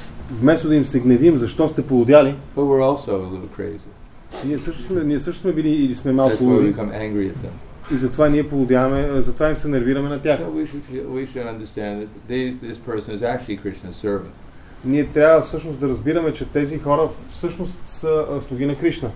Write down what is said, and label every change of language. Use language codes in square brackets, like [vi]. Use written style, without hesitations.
[bg] Вместо да им се гневим, защо сте полудяли? [en] But we're also a little crazy. [bg] Ние също сме били или сме малко луди. [en] That's why we become angry at them. [bg] И затова ние полудяваме, затова им се нервираме на тях. [en] So we should understand that this person is actually Krishna's servant. [bg] Ние трябва всъщност да разбираме, че тези хора всъщност са слуги на Кришна.